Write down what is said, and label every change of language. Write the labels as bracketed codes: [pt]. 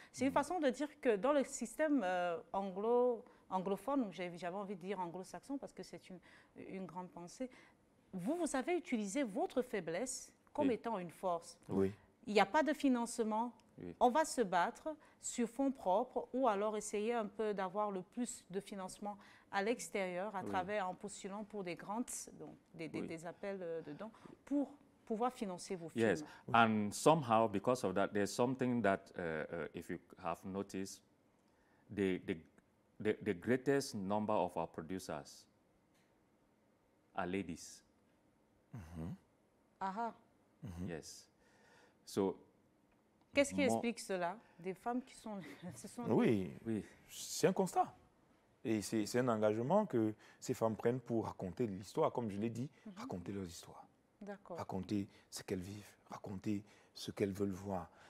[fr] C'est une façon de dire que dans le système anglophone, j'avais envie de dire anglo-saxon parce que c'est une grande pensée, vous avez utilisé votre faiblesse comme étant une force. Oui. Il n'y a pas de financement. Oui. On va se battre sur fonds propres ou alors essayer un peu d'avoir le plus de financement à l'extérieur, à travers, en postulant pour des grants, donc des appels dedans, pour pouvoir financer vos films. [en] Yes, and somehow, because of that, there's something that, if you have noticed, the greatest number of our producers are ladies. Mm-hmm. Aha. Mm-hmm. Yes. So, [fr] qu'est-ce qui explique cela? Des femmes qui sont... Oui, c'est un constat. Et c'est un engagement que ces femmes prennent pour raconter l'histoire, comme je l'ai dit, raconter leurs histoires. D'accord. Raconter ce qu'elles vivent, raconter ce qu'elles veulent voir.